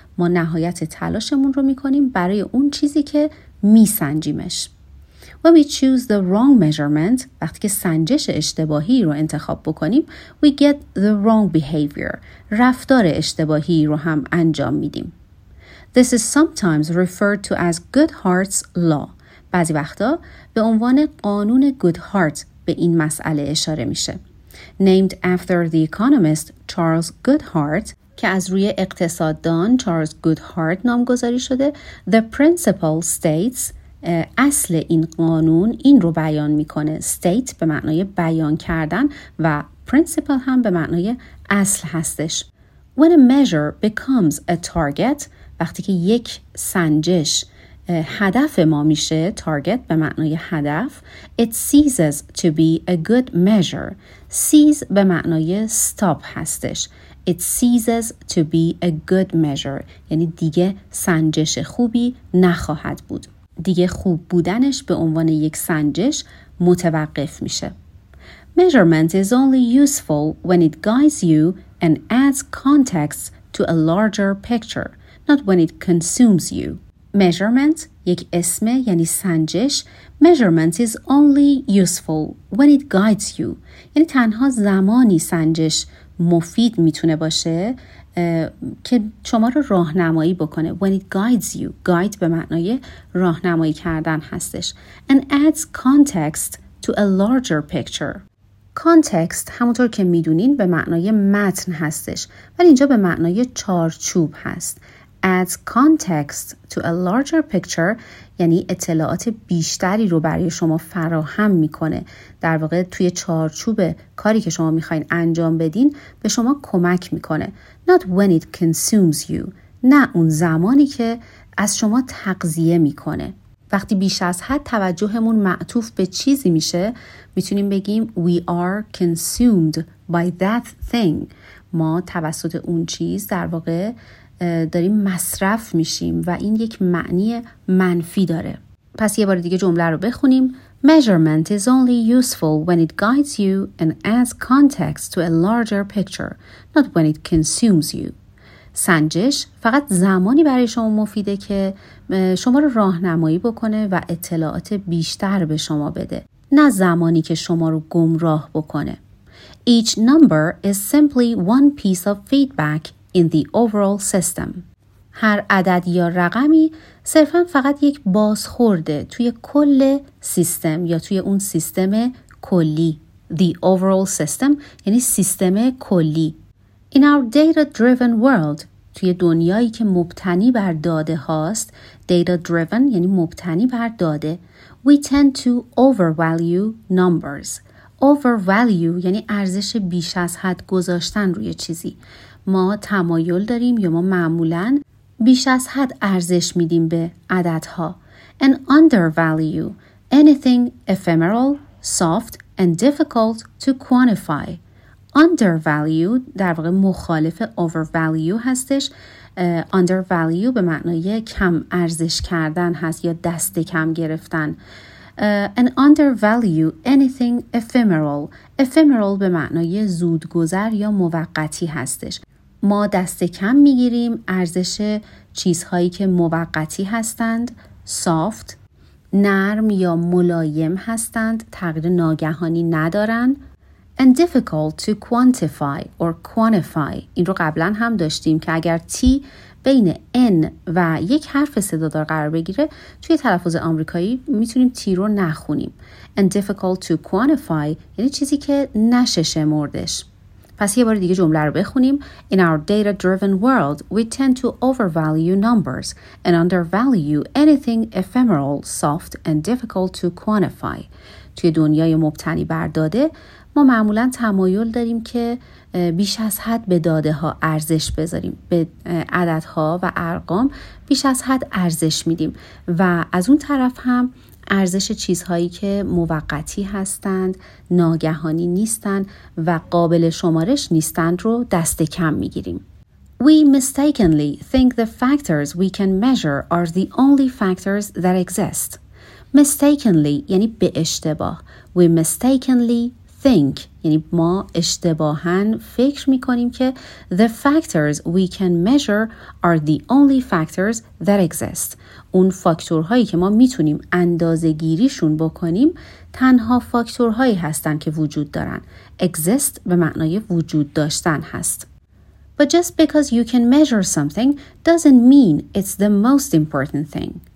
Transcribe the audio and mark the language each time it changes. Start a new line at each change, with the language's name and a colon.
Persian: ما نهایت تلاشمون رو میکنیم برای اون چیزی که میسنجیمش.
English: When we choose the wrong measurement,
Persian: وقتی که سنجش اشتباهی رو انتخاب بکنیم,
English: we get the wrong behavior.
Persian: رفتار اشتباهی رو هم انجام میدیم.
English: This is sometimes referred to as Goodhart's law.
Persian: بعضی وقتا به عنوان قانون Goodhart به این مسئله اشاره میشه.
English: Named after the economist Charles Goodhart,
Persian: که از روی اقتصاددان Charles Goodhart نامگذاری شده,
English: the principle states,
Persian: اصل این قانون این رو بیان میکنه. state به معنای بیان کردن و principle هم به معنای اصل هستش.
English: When a measure becomes a target,
Persian: وقتی که یک سنجش هدف ما میشه,
English: target
Persian: به معنای هدف,
English: it ceases to be a good measure. cease
Persian: به معنای stop هستش.
English: It ceases to be a good measure.
Persian: یعنی دیگه سنجش خوبی نخواهد بود. دیگه خوب بودنش به عنوان یک سنجش متوقف میشه.
English: Measurement is only useful when it guides you and adds context to a larger picture, not when it consumes you.
Persian: Measurement, یک اسم یعنی سنجش.
English: Measurement is only useful when it guides you.
Persian: یعنی تنها زمانی سنجش مفید میتونه باشه که شما رو راهنمایی بکنه.
English: When it guides you.
Persian: Guide به معنای راهنمایی کردن هستش.
English: And adds context to a larger picture.
Persian: Context همونطور که میدونین به معنای متن هستش. ولی اینجا به معنای چارچوب هست.
English: Adds context to a larger picture
Persian: یعنی اطلاعات بیشتری رو برای شما فراهم میکنه. در واقع توی چارچوب کاری که شما میخواین انجام بدین به شما کمک میکنه.
English: Not when it consumes you.
Persian: نه اون زمانی که از شما تغذیه میکنه. وقتی بیش از حد توجهمون معطوف به چیزی میشه میتونیم بگیم
English: We are consumed by that thing.
Persian: ما توسط اون چیز در واقع داریم مصرف میشیم و این یک معنی منفی داره. پس یه بار دیگه جمله رو بخونیم.
English: Measurement is only useful when it guides you and adds context to a larger picture, not when it consumes you.
Persian: سنجش فقط زمانی برای شما مفیده که شما رو راهنمایی بکنه و اطلاعات بیشتر به شما بده. نه زمانی که شما رو گمراه بکنه.
English: Each number is simply one piece of feedback in the overall system.
Persian: هر عدد یا رقمی صرفاً فقط یک بازخورده توی کل سیستم یا توی اون سیستم کلی.
English: The overall system
Persian: یعنی سیستم کلی.
English: In our data-driven world،
Persian: توی دنیایی که مبتنی بر داده هاست،
English: data-driven
Persian: یعنی مبتنی بر داده،
English: we tend to overvalue numbers.
Persian: Overvalue یعنی ارزش بیش از حد گذاشتن روی چیزی. ما تمایل داریم یا ما معمولاً بیش از حد ارزش میدیم به عددها.
English: And undervalue anything ephemeral, soft and difficult to quantify.
Persian: Undervalue در واقع مخالف overvalue هستش. Undervalue به معنای کم ارزش کردن هست یا دست کم گرفتن.
English: And undervalue anything ephemeral.
Persian: Ephemeral به معنای زودگذر یا موقتی هستش. ما دست کم میگیریم ارزش چیزهایی که موقتی هستند، soft، نرم یا ملایم هستند، تغییر ناگهانی ندارن.
English: And difficult to quantify or quantify.
Persian: این رو قبلا هم داشتیم که اگر T بین N و یک حرف صدادار قرار بگیره توی تلفظ آمریکایی میتونیم T رو نخونیم.
English: And difficult to quantify
Persian: یعنی چیزی که نشه شمردش. پس یه بار دیگه جمله رو بخونیم.
English: In our data-driven world, we tend to overvalue numbers and undervalue anything ephemeral, soft, and difficult to quantify.
Persian: توی دنیای مبتنی بر داده، ما معمولاً تمایل داریم که بیش از حد به داده ها ارزش بذاریم. به عددها و ارقام بیش از حد ارزش میدیم. و از اون طرف هم، ارزش چیزهایی که موقتی هستند، ناگهانی نیستند و قابل شمارش نیستند رو دست کم میگیریم.
English: We mistakenly think the factors we can measure are the only factors that exist. Mistakenly
Persian: یعنی به اشتباه.
English: We mistakenly think
Persian: یعنی ما اشتباهاً فکر میکنیم که
English: the factors we can measure are the only factors that exist.
Persian: اون فاکتورهایی که ما میتونیم اندازه‌گیریشون بکنیم تنها فاکتورهایی هستن که وجود دارن. Exist به معنای وجود داشتن هست.
English: But just because you can measure something doesn't mean it's the most important thing.